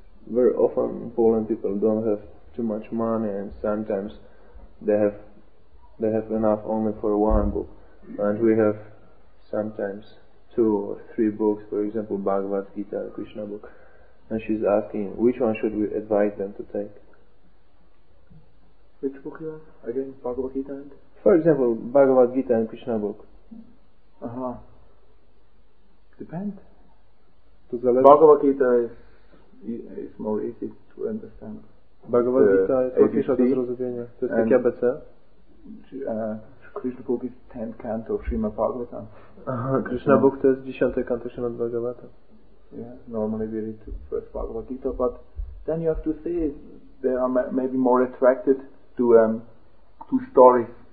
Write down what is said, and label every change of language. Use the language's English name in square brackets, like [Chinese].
[English] Very often Poland people don't have too much money, and sometimes they have enough only for 1 book, and we have sometimes 2 or 3 books, for example Bhagavad Gita, Krishna book, and she's asking which one should we advise them to take. Which book you have? Again, Bhagavad Gita and? For example, Bhagavad Gita and Krishna book. Depends. Bhagavad Gita is more easy to understand. [Polish] Bhagavad Gita jest łatwiejsza do zrozumienia. To jest taki ABC. [English] Krishna book is 10th canto of Srimad Bhagavatam. [Polish] Krishna book to jest 10th canto Srimad Bhagavatam. [English] Yeah, normally we read the first Bhagavad Gita, but then you have to see they are maybe more attracted to stories.